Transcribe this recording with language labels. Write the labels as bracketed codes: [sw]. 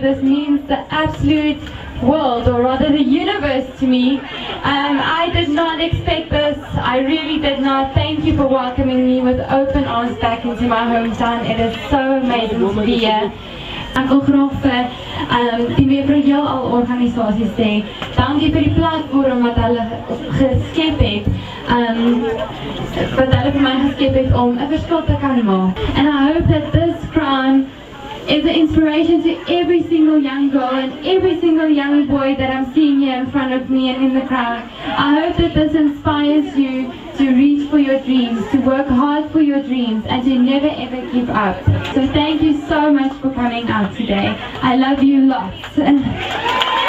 [en] This means the absolute world, or rather the universe, to me. I did not expect this. I really did not. Thank you for welcoming me with open arms back into my hometown. It is so amazing to be here. [af] Ek wil graag vir die Weber heel al organisaties sê, dankie vir die platform wat hulle geskep het, wat hulle vir my geskep het om 'n verskil te kan maak. [en] And I hope that this crown is an inspiration to every single young girl and every single young boy that I'm seeing here in front of me and in the crowd. I hope that this inspires you to reach for your dreams, to work hard for your dreams, and to never ever give up. So thank you so much for coming out today. I love you lots.